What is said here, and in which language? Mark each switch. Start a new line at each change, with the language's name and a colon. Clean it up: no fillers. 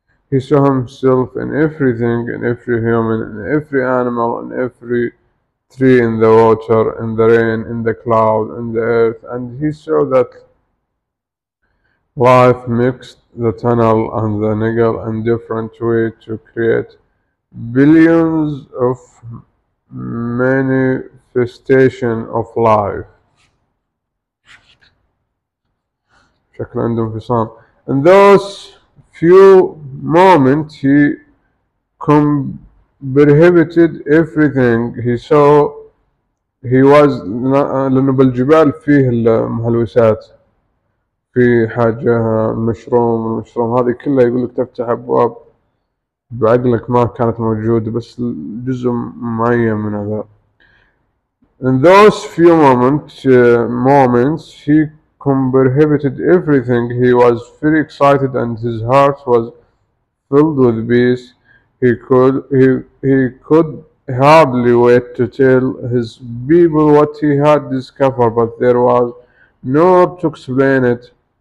English: He saw himself in everything, in every human, in every animal, in every tree, in the water, in the rain, in the cloud, in the earth, and he saw that life mixed the tunnel and the nigel in different way to create billions of manifestation of life.
Arabic: شكل عنده انفصام.
English: In those few moments he comprehended everything he saw. He was
Arabic: لأنه بالجبال فيه المهلوسات في حاجة مشروم المشروم هذه كلها يقول لك تفتح أبواب بعقلك ما كانت موجودة بس جزء معين من هذا.
English: In those few moments he comprehended everything. He was very excited and his heart was filled with peace. He could hardly wait to tell his people what he had discovered, but there was no one to explain it.